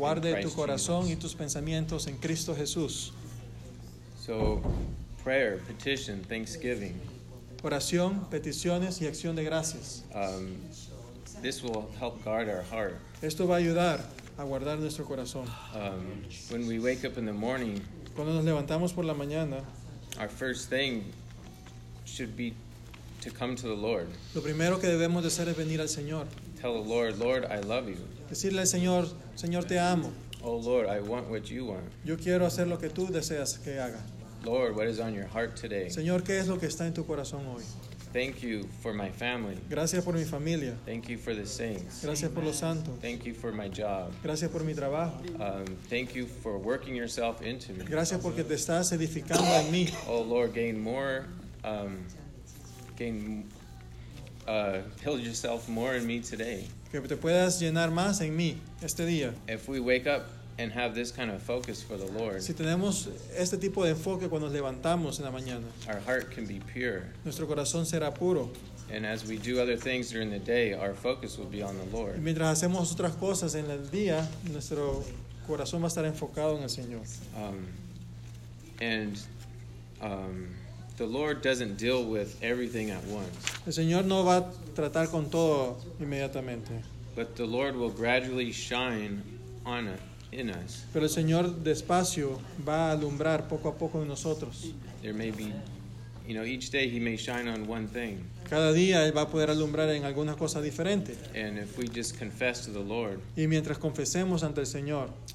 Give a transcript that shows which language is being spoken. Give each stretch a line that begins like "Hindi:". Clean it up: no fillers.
Spanish: Guarde tu corazón y tus pensamientos en Cristo Jesús.
English: So, prayer, petition, thanksgiving.
Spanish: Oración, peticiones y acción de gracias.
English: This will help guard our heart.
Spanish: Esto va a ayudar a guardar nuestro corazón.
English: When we wake up in the morning,
Spanish: cuando nos levantamos por la mañana,
English: our first thing should be to come to the Lord.
Spanish: Lo primero que debemos de hacer es venir al Señor.
English: Tell the Lord, "Lord, I love you."
Spanish: Decirle al Señor, "Señor, te amo."
English: Oh Lord, I want what you want.
Spanish: Yo quiero hacer lo que tú deseas que haga.
English: Lord, what is on your heart today?
Spanish: Señor, ¿qué es lo que está en tu corazón hoy?
English: Thank you for my family.
Spanish: Gracias por mi familia.
English: Thank you for the saints.
Spanish: Gracias por los santos.
English: Thank you for my job.
Spanish: Gracias por mi trabajo.
English: Thank you for working yourself into me.
Spanish: Gracias porque te estás edificando en mí.
English: Oh Lord, gain more, build yourself more in me today.
Spanish: Que te puedas llenar más en mí este día.
English: If we wake up and have this kind of focus for the Lord.
Spanish: Si tenemos este tipo de enfoque cuando nos levantamos en la mañana.
English: Our heart can be pure.
Spanish: Nuestro corazón será puro.
English: And as we do other things during the day, our focus will be on the Lord.
Spanish: Y mientras hacemos otras cosas en el día, nuestro corazón va a estar enfocado en el Señor.
English: The Lord doesn't deal with everything at once.
Spanish: El Señor no va a tratar con todo inmediatamente.
English: But the Lord will gradually shine on it. In us.
Spanish: Pero el Señor despacio va a alumbrar poco a poco en nosotros.
English: There may be, each day he may shine on one thing.
Spanish: Cada día él va a poder alumbrar en alguna cosa diferente.
English: And if we just confess to the Lord.
Spanish: Y mientras confesemos ante el Señor.